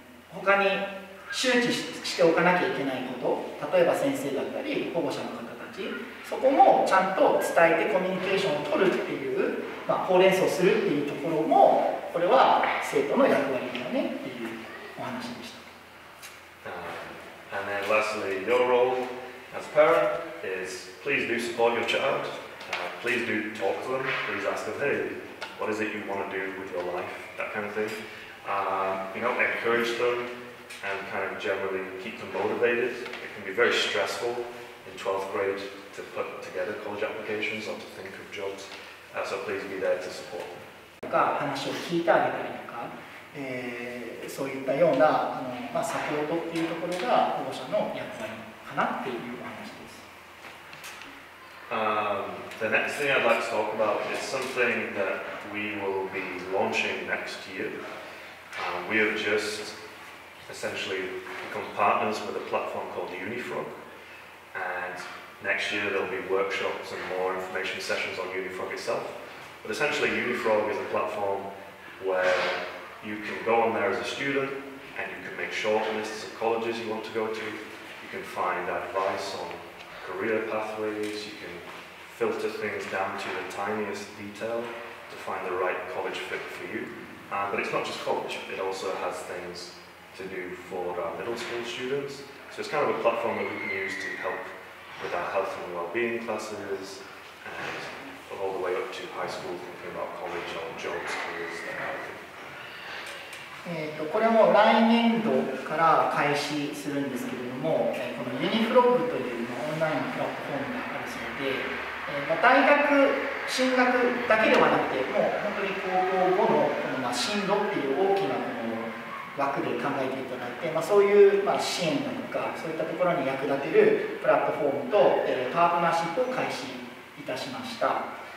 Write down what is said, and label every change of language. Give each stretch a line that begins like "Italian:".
Japanese: 他に周知しておかなきゃいけないこと、例えば先生だったり保護者の方たち、そこもちゃんと伝えてコミュニケーションを取るっていう、まあ、ほうれん草するっていうところも、これは生徒の役割だよねっていうお話でした。
English: And then lastly, your role as a parent is please do support your child. Please do talk to them. Please ask them, hey, what is it you want to do with your life? That kind of thing. You know, encourage them and kind of generally keep them motivated. It can be very stressful in 12th grade. To put together college applications or to think of jobs. So please be there to support them.
Japanese: 話を聞いてあげたりとか、そういったようなあの、まあ、サポートっていうところが保護者の役割かなっていうお話です。 Um,
English: The next thing I'd like to talk about is something that we will be launching next year. We have just essentially become partners with a platform called Unifrog. And next year there'll be workshops and more information sessions on Unifrog itself. But essentially Unifrog is a platform where you can go on there as a student and you can make shortlists of colleges you want to go to. You can find advice on career pathways. You can filter things down to the tiniest detail to find the right college fit for you. But it's not just college, it also has things to do for our middle school students. So it's kind of a platform that we can use to help with our health and well-being classes and all the way up to high school, thinking about college or jobs, careers, that kind of thing.
Japanese: これも来年度から開始するんですけれども、この Unifrog というオンラインプラットフォームがあるそうで、大学進学だけではなくて、もう本当に高校後の、この進路っていう大きなこの枠で考えていただいて、そういう支援なのか、そういったところに役立てるプラットフォームとパートナーシップを開始いたしました。